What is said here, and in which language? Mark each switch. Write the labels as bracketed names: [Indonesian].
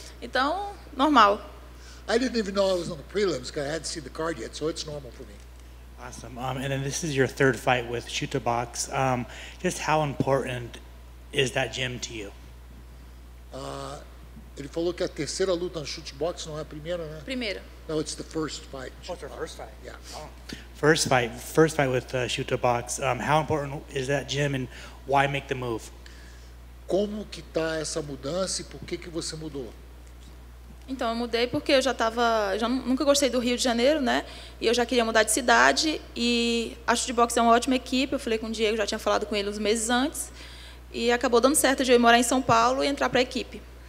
[Portuguese] Então, normal. [English] I didn't even know I was on the prelims because I hadn't seen the card yet, so it's normal for me. Awesome. And then this is your third fight with Shootbox. Just how important is that gym to you? [Portuguese] Ele falou que a terceira luta no Shootbox não é a primeira, né? Primeira. [English] No, it's the first fight. Oh, it's your first fight. Yeah. Oh. First fight with Shootbox. How important is that gym and why make the move? [Portuguese] Como que tá essa mudança e por que você mudou? Então, eu mudei porque eu já estava... Já nunca gostei do Rio de Janeiro, né? E eu já queria mudar de cidade. E a Chute Box é uma ótima equipe. Eu falei com o Diego, já tinha falado com ele uns meses antes. E acabou dando certo de eu ir morar em São Paulo e entrar para a equipe.